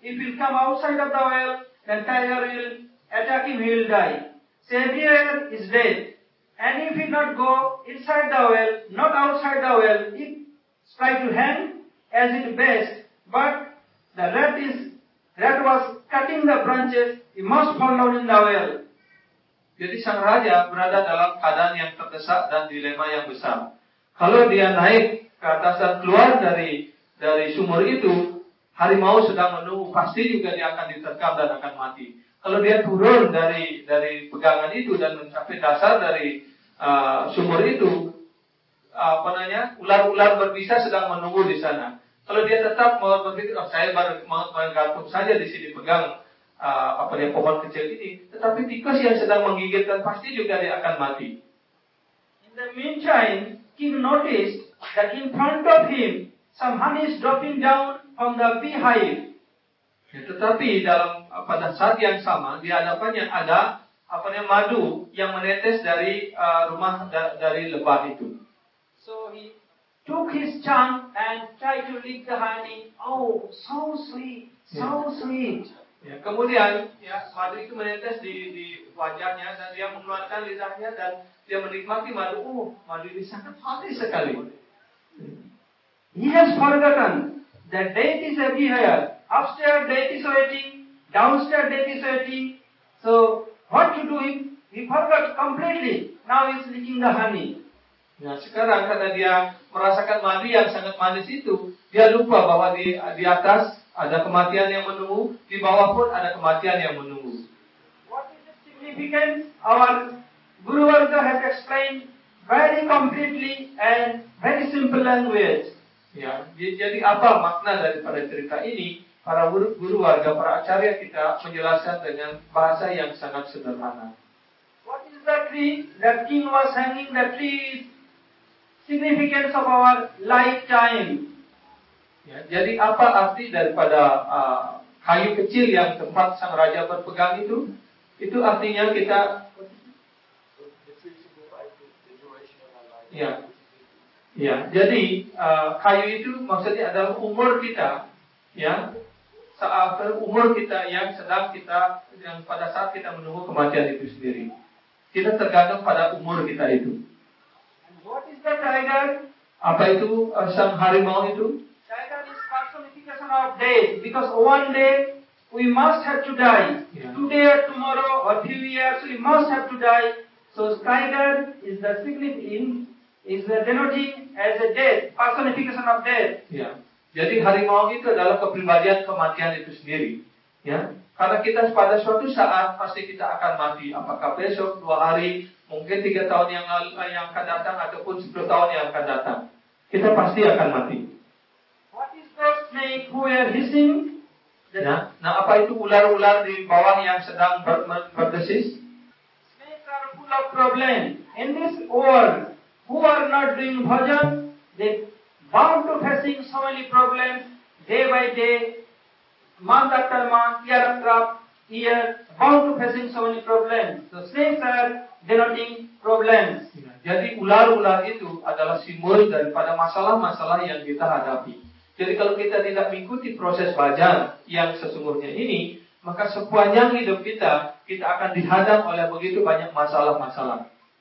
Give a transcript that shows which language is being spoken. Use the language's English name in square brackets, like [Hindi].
[English] If he will come outside of the well, then tiger will attack him, he will die. So everywhere is dead. And if he not go inside the well, not outside the well, he try to hang as it best. But the rat was cutting the branches, he must fall down in the well. [Indonesian] Jadi sang raja berada dalam keadaan yang terdesak dan dilema yang besar. Kalau dia naik ke atas dan keluar dari sumur itu, harimau sedang menunggu, pasti juga dia akan diterkam dan akan mati. Kalau dia turun dari pegangan itu dan mencapai dasar dari sumur itu, ular-ular berbisa sedang menunggu di sana. Kalau dia tetap mau berpikir, oh, saya mau menggantung saja di sini pegang pohon kecil ini, tetapi tikus yang sedang menggigit dan pasti juga dia akan mati. [English] In the meantime, king noticed that in front of him some honey is dropping down from the beehive. [Indonesian] Ya, tetapi pada saat yang sama di hadapannya ada madu yang menetes dari dari lebah itu. [English] So he took his tongue and tried to lick the honey. Oh, so sweet, so sweet. [Indonesian] Ya, kemudian madu itu menetes di wajahnya dan dia mengeluarkan lidahnya dan dia menikmati madu. Oh, madu ini sangat manis sekali. [English] He has forgotten that death is everywhere. Upstairs death is waiting, downstairs death is waiting. So what to do? He forgot completely. Now he is licking the honey. [Indonesian] Nah, sekarang karena dia merasakan madu yang sangat manis itu, dia lupa bahwa di atas ada kematian yang menunggu, di bawah pun ada kematian yang menunggu. [English] What is the significance? Our Guru Arjuna has explained very completely and very simple language. [Indonesian] Ya, jadi apa makna daripada cerita ini? Para guru warga, para acarya kita menjelaskan dengan bahasa yang sangat sederhana. [English] What is the tree? The king was hanging the tree. Significance of our lifetime. [Indonesian] Ya, jadi apa arti daripada kayu kecil yang tempat sang raja berpegang itu? Itu artinya kita. Ya. Ya, jadi kayu itu maksudnya adalah umur kita, ya, saat umur kita yang sedang kita, yang pada saat kita menunggu kematian itu sendiri. Kita tergantung pada umur kita itu. [English] And what is the tiger? [Indonesian] Apa itu sang harimau itu? [English] Tiger is personification of death, because one day we must have to die. Yeah. Today or tomorrow or few years we must have to die. So tiger is the significant. Is the denoting as a death, personification of death. [Indonesian] Ya, jadi harimau itu adalah kepribadian kematian itu sendiri. Ya, karena kita pada suatu saat pasti kita akan mati. Apakah besok, dua hari, mungkin tiga tahun yang akan datang, ataupun 10 tahun yang akan datang, kita pasti akan mati. [English] What is the snake who are hissing? [Indonesian] Nah, apa itu ular-ular di bawah yang sedang berdesis? [English] Snake are full of problem in this world. Who are not doing bhajan, they bound to facing so many problems day by day, month after month, year after year, bound to facing so many problems. So snakes are denoting problems. [Indonesian] Jadi ular-ular itu adalah simbol daripada masalah-masalah yang kita hadapi. Jadi kalau kita tidak mengikuti proses bhajan yang sesungguhnya ini, maka sepanjang hidup kita akan dihadang oleh begitu banyak masalah-masalah.